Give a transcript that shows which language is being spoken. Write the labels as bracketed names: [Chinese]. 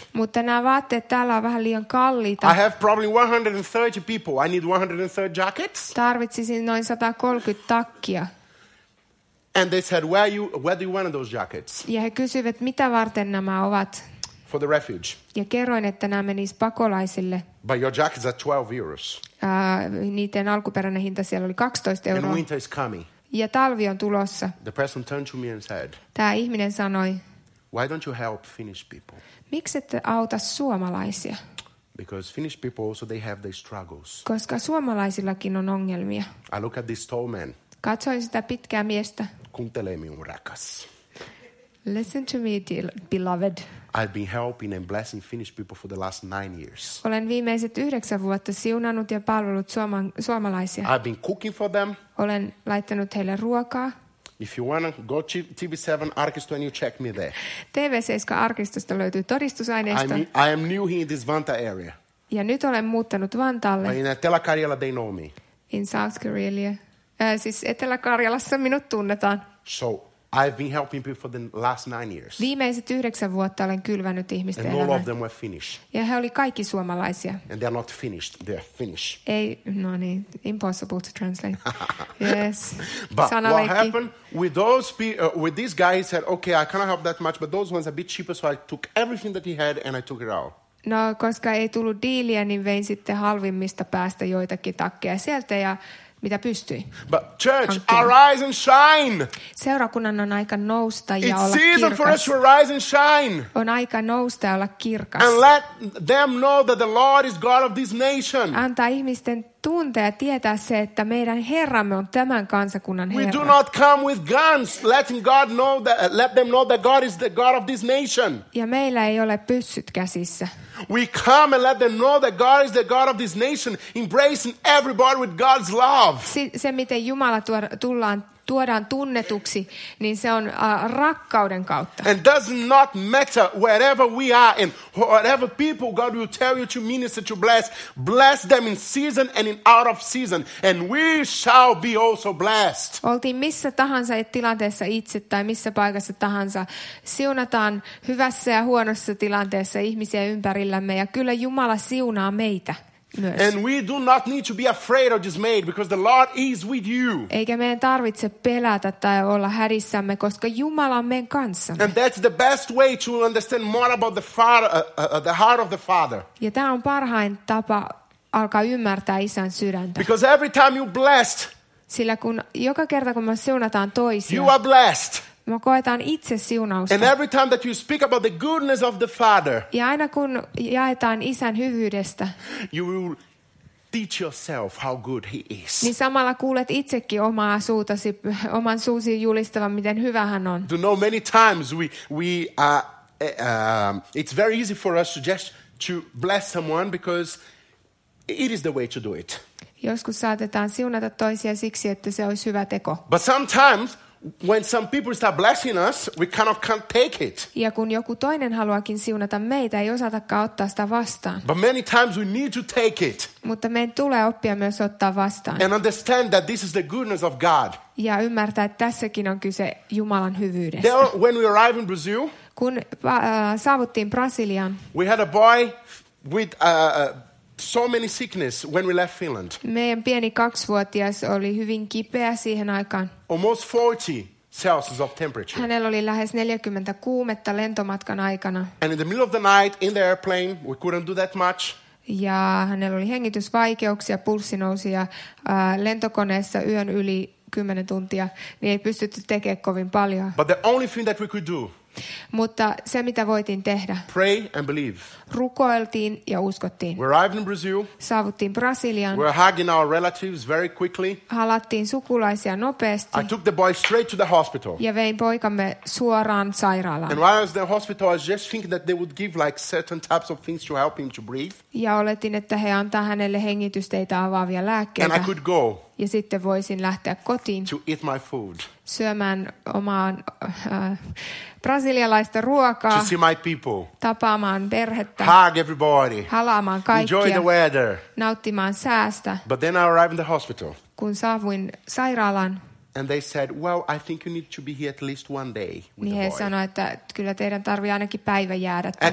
[Finnish] Mutta nämä vaatteet täällä on vähän liian kalliita. [English] I have probably 130 people. I need 130 jackets. [Finnish] Tarvitsisin noin 130 takkia. [English] And they said, where do you want those jackets? [Finnish] Ja he kysyivät, mitä varten nämä ovat? [English] for the refuge. [Finnish] Ja kerroin, että nämä menisivät pakolaisille. [English] But your jacket's at 12 euros. [Finnish] Niiden alkuperäinen hinta siellä oli 12 euroa. [English] And winter is coming. [Finnish] Ja talvi on tulossa. [English] The person turned to me and said, [Finnish] tämä ihminen sanoi, [English] why don't you help Finnish people? [Finnish] Miksi et auta suomalaisia? [English] Because Finnish people also they have their struggles. [Finnish] Koska suomalaisillakin on ongelmia. [English] I look at this tall man. [Finnish] Katsoin sitä pitkää miestä. Kuuntele minun rakas. [English] Listen to me, dear beloved. I've been helping and blessing Finnish people for the last 9 years. [Finnish] Olen viimeiset 9 vuotta siunannut ja palvellut suomalaisia. [English] I've been cooking for them. [Finnish] Olen laittanut heille ruokaa. [English] If you wanna go to TV7 arkisto and you check me there. [Finnish] TV7 arkistosta löytyy todistusaineisto. [English] I am new here in this Vantaa area. [Finnish] Ja nyt olen muuttanut Vantaalle. [English] In Etelä-Karjala they know me. In South Karelia. [Finnish] Siis Etelä-Karjalassa minut tunnetaan. [English] So I've been helping people for the last 9 years. [Finnish] Viimeiset 9 vuotta olen kylvänyt ihmisten elämää. [English] And all of them were Finnish. [Finnish] Ja he oli kaikki suomalaisia. [English] And they're not finished, they're Finnish. [Finnish] Ei, no niin, [English] impossible to translate. Yes. But [Finnish] sanaleikki. [English] What happened with those people, with this guy, he said, okay, I cannot help that much, but those ones are a bit cheaper, so I took everything that he had and I took it out. [Finnish] No, koska ei tullut diiliä, niin vein sitten halvimmista päästä joitakin takkeja sieltä ja mitä pystyi. [English] But church, arise and shine. [Finnish] Seurakunnan on aika nousta ja [English] it's [Finnish] olla [English] season [Finnish] kirkas. [English] For us to arise and shine. [Finnish] On aika nousta ja olla kirkas. [English] And let them know that the Lord is God of this nation. [Finnish] Antaa ihmisten tuntea ja tietää se, että meidän Herramme on tämän kansakunnan Herra. [English] We do not come with guns, letting God know that, let them know that God is the God of this nation. [Finnish] Ja meillä ei ole pyssyt käsissä. [English] We come and let them know that God is the God of this nation, embracing everybody with God's love. [Finnish] Se miten Jumala tuodaan tunnetuksi, niin se on rakkauden kautta. [English] And does not matter wherever we are and whatever people God will tell you to minister to bless them in season and in out of season and we shall be also blessed. [Finnish] Oltiin missä tahansa tilanteessa itse tai missä paikassa tahansa, siunataan hyvässä ja huonossa tilanteessa ihmisiä ympärillämme ja kyllä Jumala siunaa meitä. Myös. [English] And we do not need to be afraid or dismayed because the Lord is with you. [Finnish] Eikä meidän tarvitse pelätä tai olla hädissämme, koska Jumala on meidän kanssamme. [English] And that's the best way to understand more about the Father, the heart of the Father. [Finnish] Ja tämä on parhain tapa alkaa ymmärtää Isän sydäntä. [English] Because every time you blessed, [Finnish] sillä kun joka kerta kun me siunataan toisia, [English] you are blessed. [Finnish] Me koetaan itse siunausta. [English] And every time that you speak about the goodness of the Father. [Finnish] Ja aina kun jaetaan Isän hyvyydestä. [English] You will teach yourself how good he is. [Finnish] Niin samalla kuulet itsekin omaa suutasi, oman suusi julistavan miten hyvä hän on. [English] You know many times we are it's very easy for us to just to bless someone because it is the way to do it. [Finnish] Joskus saatetaan siunata toisia siksi että se olisi hyvä teko. [English] But sometimes when some people start blessing us, we kind of can't take it. [Finnish] Ja kun joku toinen haluakin siunata meitä, ei osatakaan ottaa sitä vastaan. [English] But many times we need to take it. [Finnish] Mutta meidän tulee oppia myös ottaa vastaan. [English] And understand that this is the goodness of God. [Finnish] Ja ymmärtää, että tässäkin on kyse Jumalan hyvyydestä. [English] Then when we arrived in Brazil, [Finnish] kun saavuttiin Brasiliaan, [English] we had a boy with so many sickness when we left Finland. [Finnish] Meidän pieni 2-vuotias oli hyvin kipeä siihen aikaan. [English] Almost 40 Celsius of temperature. [Finnish] Hänellä oli lähes 40 kuumetta lentomatkan aikana. [English] And in the middle of the night in the airplane, we couldn't do that much. [Finnish] Ja hänellä oli hengitysvaikeuksia, pulssi nousi ja lentokoneessa yön yli 10 tuntia, niin ei pystytty tekemään kovin paljon. [English] But the only thing that we could do. [Finnish] Mutta se mitä voitiin tehdä. [English] Pray and believe. [Finnish] Rukoiltiin ja uskottiin. [English] We arrived in Brazil. [Finnish] Saavuttiin Brasiliaan. [English] We were hugging our relatives very quickly. [Finnish] Halattiin sukulaisia nopeasti. [English] I took the boy straight to the hospital. [Finnish] Ja vein poikamme suoraan sairaalaan. [English] And while I was in the hospital, I was just thinking that they would give like certain types of things to help him to breathe. [Finnish] Ja oletin, että he antaa hänelle hengitysteitä avaavia lääkkeitä. [English] And I could go. [Finnish] Ja sitten voisin lähteä kotiin. [English] To eat my food. [Finnish] Syömään omaan brasilialaista ruokaa. [English] To see my people. [Finnish] Tapaamaan perhettä. [English] Hug everybody. [Finnish] Halaamaan kaikkia. [English] Enjoy the weather. [Finnish] Nauttimaan säästä. [English] But then I arrived in the hospital. [Finnish] Kun saavuin sairaalaan. [English] And they said, well, I think you need to be here at least one day with the boy. [Finnish] Niin he sanoi, että kyllä teidän tarvitsee ainakin päivä jäädä tänne.